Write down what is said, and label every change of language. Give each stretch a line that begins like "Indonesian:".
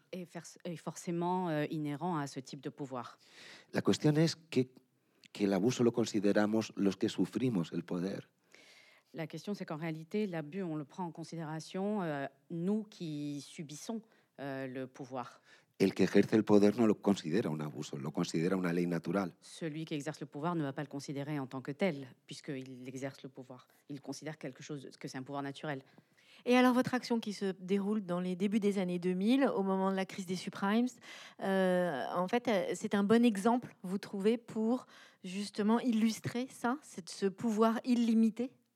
French: Et forcément inhérent à ce type de pouvoir. La question est que l'abus le considérons
Spanish: los que sufrimos el poder.
French: La question c'est qu'en réalité, l'abus, on le prend en considération nous qui subissons le pouvoir.
Spanish: El que ejerce el poder no lo considera un abuso, lo considera una ley natural.
French: Celui qui exerce le pouvoir ne va pas le considérer en tant que tel, puisqu'il exerce le pouvoir. Il considère quelque chose que c'est un pouvoir naturel. Et alors, votre action qui se déroule dans les débuts des années 2000, au moment de la crise des subprimes, en fait, c'est un bon exemple, vous trouvez, pour justement illustrer ça, ce pouvoir illimité?